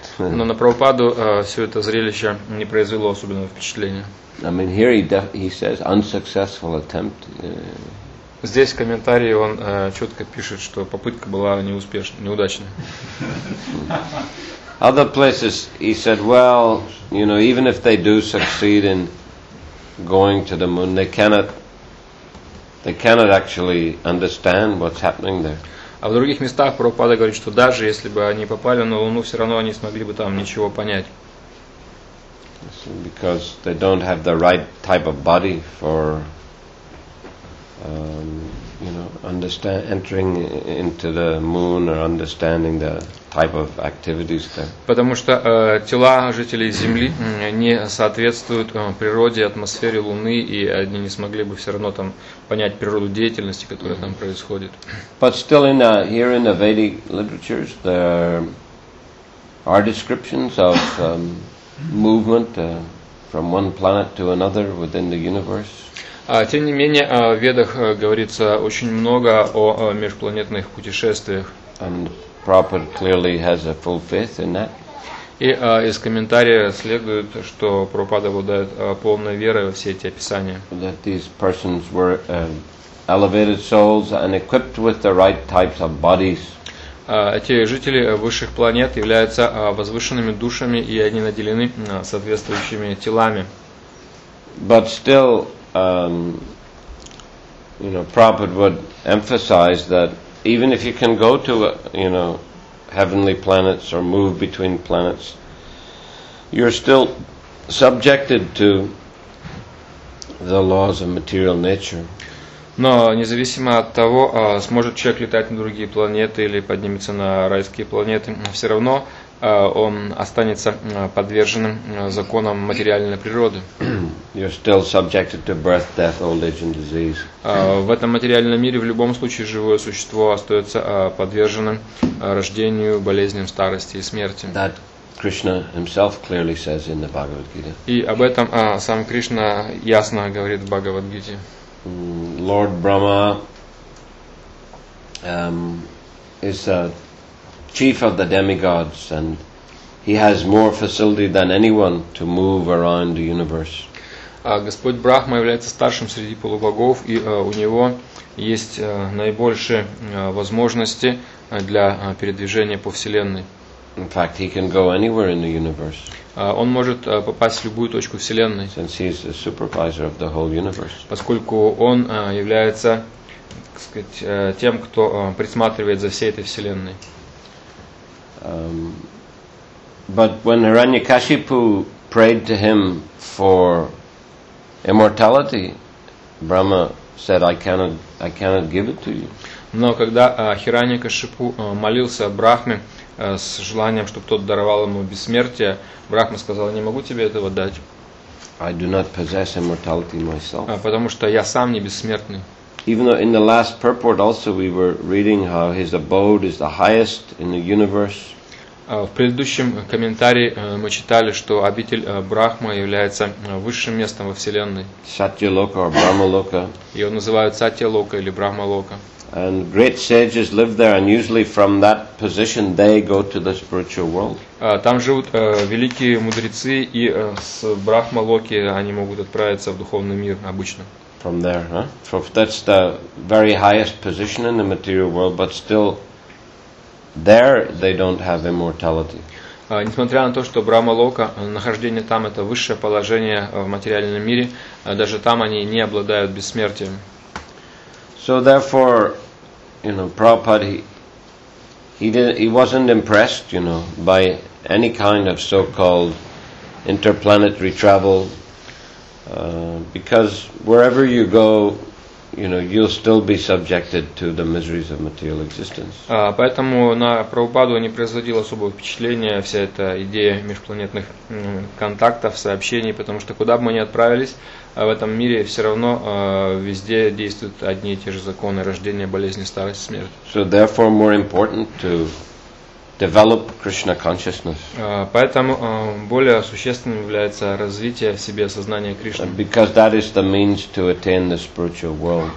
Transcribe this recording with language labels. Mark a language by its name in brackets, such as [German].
[Russian] Но на Прабхупаду все это зрелище не произвело особенного впечатления. [English] I mean, here he says unsuccessful attempt. [Russian] Здесь в комментарии он четко пишет, что попытка была неуспешной, неудачной. [English] Other places he said, well, you know, even if they do succeed in going to the moon, they cannot actually understand what's happening there. [Russian] А в других местах Прабхупада говорит, что даже если бы они попали на Луну, все равно они смогли бы там ничего понять. [English] Because they don't have the right type of body for, you know, entering into the moon or understanding the type of activities there. [Russian] Потому что тела жителей Земли не соответствуют природе, атмосфере Луны, и они не смогли бы все равно там понять природу деятельности, которая там происходит. [English] But still, here in the Vedic literatures, there are descriptions of. Movement from one planet to another within the universe. [Russian] Тем не менее, в Ведах говорится очень много о межпланетных путешествиях. [English] And Prabhupada clearly has a full faith in that. [Russian] И из комментария следует, что Прабхупада обладает полной верой во все эти описания. [English] That these persons were elevated souls and equipped with the right types of bodies. [Russian] Эти жители высших планет являются возвышенными душами, и они наделены соответствующими телами. [English] But still, you know, Prabhupada would emphasize that even if you can go to, you know, heavenly planets or move between planets, you're still subjected to the laws of material nature. [Russian] Но независимо от того, сможет человек летать на другие планеты или поднимется на райские планеты, все равно он останется подверженным законам материальной природы. [English] You're still subjected to birth, death, old age and disease. [Russian] В этом материальном мире в любом случае живое существо остается подверженным рождению, болезням, старости и смерти. [English] That Krishna himself clearly says in the Bhagavad Gita. [Russian] И об этом сам Кришна ясно говорит в Бхагавадгите. [English] Lord Brahma is a chief of the demigods, and he has more facility than anyone to move around the universe. [Russian] Господь Брахма является старшим среди полубогов, и у него есть наибольшие возможности для передвижения по вселенной. [English] In fact, he can go anywhere in the universe. [Russian] Он может попасть в любую точку вселенной. [English] Since he is the supervisor of the whole universe. [Russian] Поскольку он является, так сказать, тем, кто присматривает за всей этой вселенной. [English] But when Hiranyakashipu prayed to him for immortality, Brahma said, I cannot give it to you. [Russian] Но когда Хираньякашипу молился Брахме с желанием, чтобы тот даровал ему бессмертие, Брахма сказал, не могу тебе этого дать. [English] I do not possess immortality myself. [Russian] Потому что я сам не бессмертный. [English] Even though in the last purport also we were reading how his abode is the highest in the universe. [Russian] В предыдущем комментарии мы читали, что обитель Брахма является высшим местом во Вселенной. [English] Сатья-лока or Брахма-лока. [Russian] Его называют Сатья-лока или Брахма-лока. [English] And great sages live there, and usually from that position they go to the spiritual world. [Russian] Там живут великие мудрецы, и с Брахма-локи они могут отправиться в духовный мир обычно. [English] From there, huh? So that's the very highest position in the material world, but still there they don't have immortality. [Russian] Несмотря на то, что Брахма-лока, нахождение там это высшее положение в материальном мире, даже там они не обладают бессмертием. [English] So therefore, you know, Prabhupada, he wasn't impressed, you know, by any kind of so-called interplanetary travel, because wherever you go, you know, you'll still be subjected to the miseries of material existence. [Russian] Поэтому на Прабхупаду не производило особого впечатления вся эта идея межпланетных контактов, сообщений, потому что куда бы мы ни отправились, в этом мире все равно везде действуют одни и те же законы рождения, болезни, старость, смерть. [English] So therefore more important to develop Krishna consciousness. [Russian] Поэтому более существенным является развитие в себе сознания Кришны. [English] Because that is the means to attain the spiritual world.